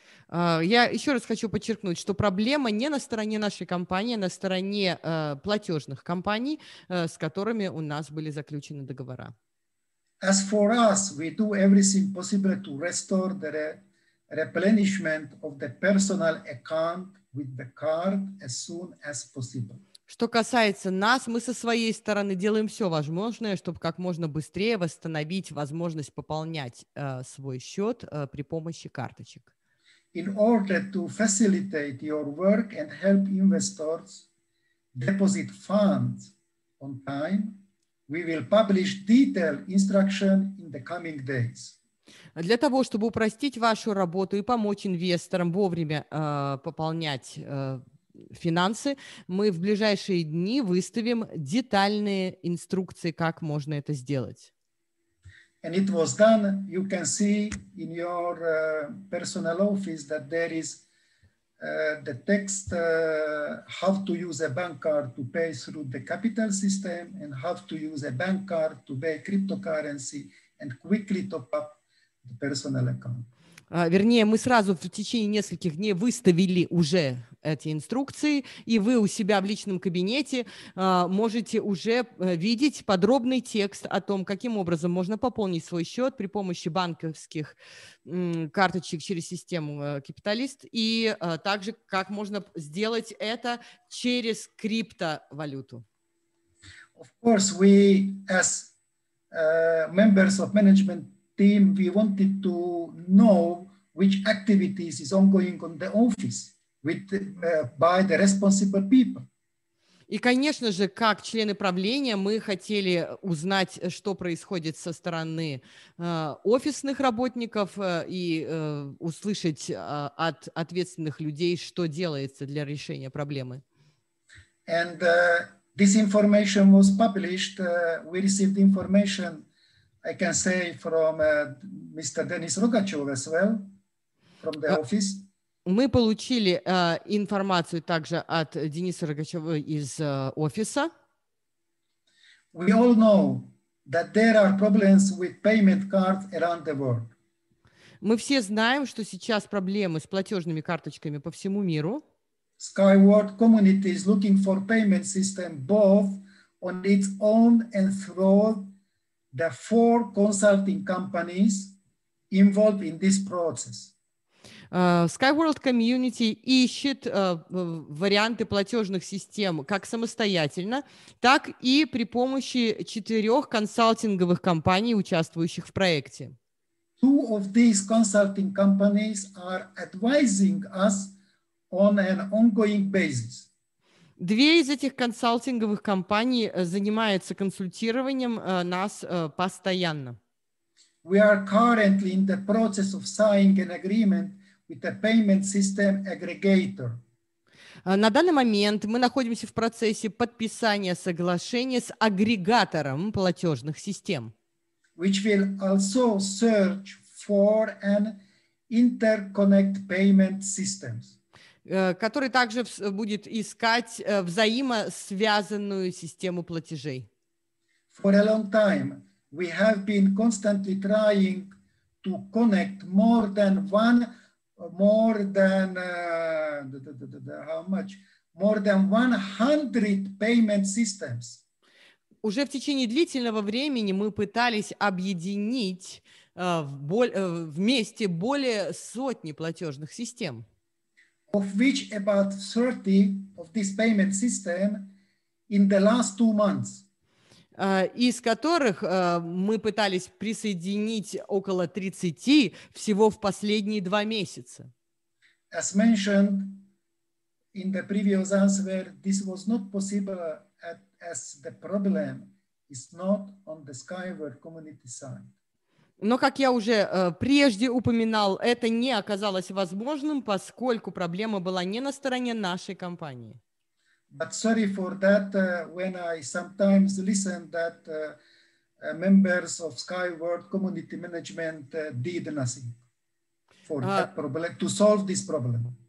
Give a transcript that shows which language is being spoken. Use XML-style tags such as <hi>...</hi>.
<ru>Я еще раз хочу подчеркнуть, что проблема не на стороне нашей компании, а на стороне платежных компаний, с которыми у нас были заключены договора.</ru> <en>As for us, we do everything possible to restore the replenishment of the personal account with the card as soon as possible.</en> <ru>Что касается нас, мы со своей стороны делаем все возможное, чтобы как можно быстрее восстановить возможность пополнять свой счет при помощи карточек.</ru> <en>In order to facilitate your work and help investors deposit funds on time, we will publish detailed instructions in the coming days.</en> <ru>Для того, чтобы упростить вашу работу и помочь инвесторам вовремя пополнять финансы, мы в ближайшие дни выставим детальные инструкции, как можно это сделать.</ru> <en>And it was done. You can see in your personal office that there is the text how to use a bank card to pay through the capital system and how to use a bank card to buy cryptocurrency and quickly top up the personal account.</en> <ru>Вернее, мы сразу в течение нескольких дней выставили уже эти инструкции, и вы у себя в личном кабинете можете уже видеть подробный текст о том, каким образом можно пополнить свой счет при помощи банковских карточек через систему «Капиталист», и также, как можно сделать это через криптовалюту.</ru> <en>Of course, we, as members of management team, we wanted to know which activities is ongoing on the office with by the responsible people.</en> <ru>И, конечно же, как члены правления, мы хотели узнать, что происходит со стороны офисных работников и услышать от ответственных людей, что делается для решения проблемы.</ru> <en>And this information was published. We received information, I can say, from Mr. Denis Rogachev as well, from the office.</en> <ru>Мы получили информацию также от Дениса Рогачева из офиса.</ru> <en>We all know that there are problems with payment cards around the world.</en> <ru>Мы все знаем, что сейчас проблемы с платежными карточками по всему миру.</ru> <en>Skyward community is looking for payment system both on its own and through the four consulting companies involved in this process.</en> <ru>Skyworld Community ищет варианты платежных систем как самостоятельно, так и при помощи четырех консалтинговых компаний, участвующих в проекте.</ru> <en>Two of these consulting companies are advising us on an ongoing basis.</en> <ru>Две из этих консалтинговых компаний занимаются консультированием нас постоянно.</ru> <en>We are currently in the process of signing an agreement with a payment system aggregator.</en> <ru>На данный момент мы находимся в процессе подписания соглашения с агрегатором платежных систем,</ru> <en>which will also search for an interconnect payment systems,</en> <ru>который также будет искать взаимосвязанную систему платежей.</ru> <en>For a long time, we have been constantly trying to connect more than 100 payment systems.</en> <ru>Уже в течение длительного времени мы пытались объединить вместе более сотни платежных систем.</ru> <en>Of which about 30 of this payment system in the last 2 months.</en> <ru>Из которых мы пытались присоединить около 30 всего в последние 2 месяца.</ru> <en>As mentioned in the previous answer, this was not possible as the problem is not on the Skyward community side.</en> <ru>Но, как я уже прежде упоминал, это не оказалось возможным, поскольку проблема была не на стороне нашей компании.</ru> <en>But sorry for that, when I sometimes listen that members of Skyward community management did nothing for that problem, to solve this problem.</en>